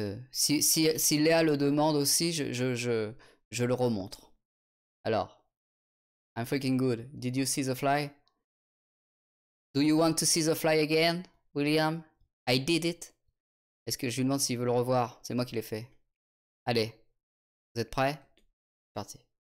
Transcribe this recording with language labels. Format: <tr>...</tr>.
<fr>Si Léa le demande aussi, je le remontre.</fr> <en>Alors, I'm freaking good. Did you see the fly? Do you want to see the fly again, William? I did it.</en> <fr>Est-ce que je lui demande s'il veut le revoir? C'est moi qui l'ai fait. Allez, vous êtes prêts? Parti.</fr>